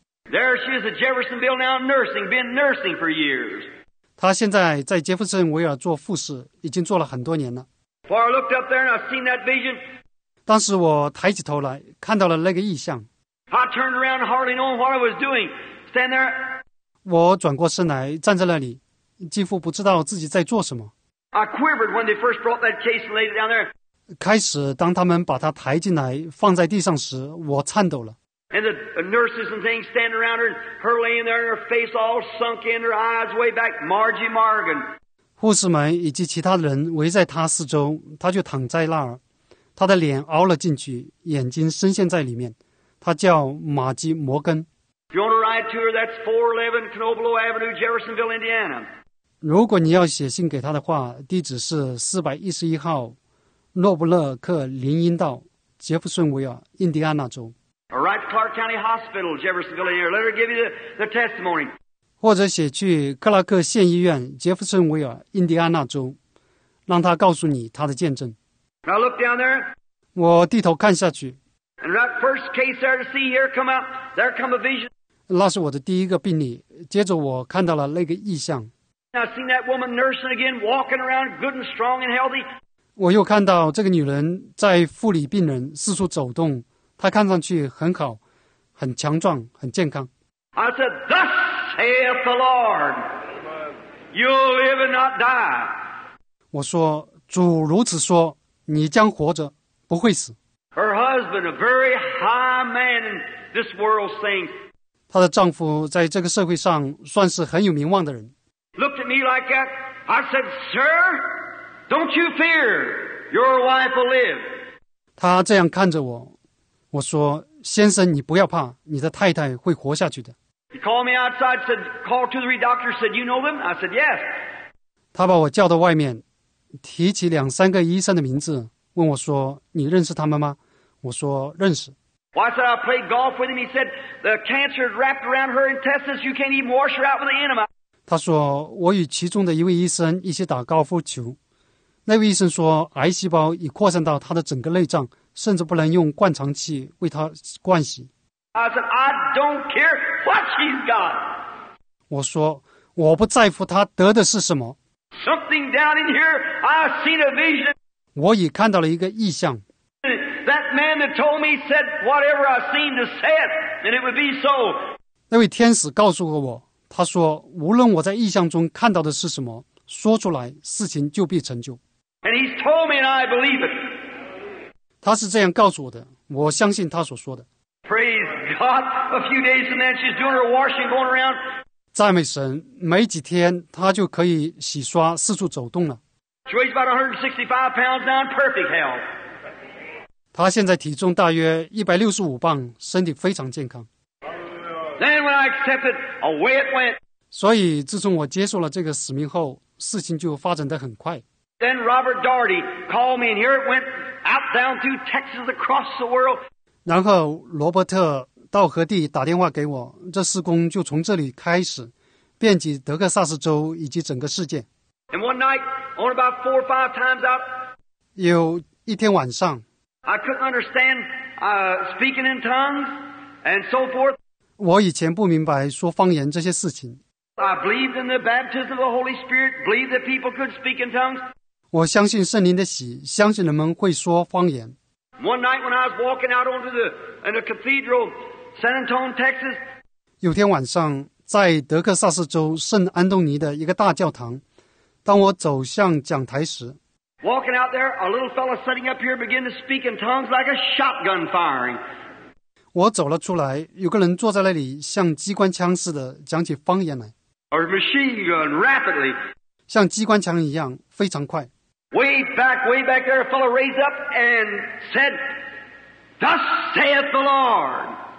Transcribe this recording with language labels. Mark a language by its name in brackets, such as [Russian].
[English] There she is at Jeffersonville now nursing, been nursing for years. [Chinese] 他现在在杰弗森维尔做护士，已经做了很多年了。 [English] For I looked up there and I seen that vision. [Chinese] 当时我抬起头来，看到了那个异象。 [English] I turned around hardly knowing what I was doing. Stand there. [Chinese] 我转过身来站在那里，几乎不知道自己在做什么。 [English] I quivered when they first brought that case and laid it down there. [Chinese] 开始当他们把它抬进来放在地上时，我颤抖了。 [English] And the nurses and things standing around her, her laying there, her face all sunk in, her eyes way back, Margie Morgan. [Chinese] 护士们以及其他人围在她四周，她就躺在那儿，她的脸凹了进去，眼睛深陷在里面，她叫玛姬·摩根。 [English] If you want to write to her, that's 411 Knoblo Avenue, Jeffersonville, Indiana. [Chinese] 如果你要写信给她的话，地址是411号诺布勒克林荫道，杰弗逊维尔，印第安纳州。 [English] Or write to Clark County Hospital, Jeffersonville, Indiana. Let her give you the testimony. [Chinese] 或者写去克拉克县医院，杰弗逊维尔，印第安纳州，让她告诉你她的见证。 [English] Now look down there. [Chinese] 我低头看下去。 [English] And that first case there to see here come out, there come a vision. [Chinese] 那是我的第一个病例，接着我看到了那个异象。 [English] I've seen that woman nursing again, walking around good and strong and healthy. [Chinese] 我又看到这个女人在护理病人，四处走动，她看上去很好，很强壮，很健康。 [English] I said, Thus saith the Lord, you'll live and not die. [Chinese] 我说，主如此说，你将活着，不会死。 [English] Her husband, a very high man in this world's things. [Chinese] 她的丈夫在这个社会上算是很有名望的人。 [English] Looked at me like that. I said, Sir, don't you fear, your wife will live. [Chinese] 她这样看着我，我说，先生，你不要怕，你的太太会活下去的。 [English] He called me outside, said, call two or three doctors, said, you know them? I said, yes. [Chinese] 她把我叫到外面，提起两三个医生的名字，问我说，你认识他们吗？我说，认识。 [English] Well, I said, I played golf with him. He said, the cancer wrapped around her intestines, you can't even wash her out with an enema. [Chinese] 他说，我与其中的一位医生一起打高尔夫球，那位医生说，癌细胞已扩散到他的整个内脏，甚至不能用灌肠器为他灌洗。 [English] I said, I don't care what she's got. [Chinese] 我说，我不在乎他得的是什么。 [English] Something down in here, I seen a vision. [Chinese] 我已看到了一个异象。 [English] That man that told me said, whatever I seen to say it, then it would be so. [Chinese] 那位天使告诉过我，他说，无论我在异象中看到的是什么，说出来，事情就必成就。 [English] And he's told me and I believe it. [Chinese] 他是这样告诉我的，我相信他所说的。 [English] Praise God, a few days from then she's doing her washing, going around. [Chinese] 赞美神，没几天他就可以洗刷，四处走动了。 [English] She weighs about 165 pounds now in perfect health. [Chinese] 他现在体重大约165磅，身体非常健康。 [English] Then when I accepted, away it went. [Chinese] 所以自从我接受了这个使命后，事情就发展得很快。 [English] Then Robert Daugherty called me and here it went out down through Texas across the world. [Chinese] 然后罗伯特·道和蒂打电话给我，这事工就从这里开始，遍及德克萨斯州以及整个世界。 [English] And one night, only about four or five times out. [Chinese] 有一天晚上。 [English] I couldn't understand, speaking in tongues and so forth. [Chinese] 我以前不明白说方言这些事情。 [English] I believed in the baptism of the Holy Spirit, believed that people could speak in tongues. [Chinese] 我相信圣灵的洗，相信人们会说方言。 [English] One night when I was walking out onto the, in the cathedral, San Antonio, Texas. [Chinese] 有天晚上在德克萨斯州圣安东尼的一个大教堂，当我走向讲台时。 [English] Walking out there, a little fellow sitting up here began to speak in tongues like a shotgun firing. [Chinese] 我走了出来，有个人坐在那里像机关枪似的讲起方言来。 [English] Or machine gun rapidly. [Chinese] 像机关枪一样非常快。 [English] Way back there, a fellow raised up and said, Thus saith the Lord.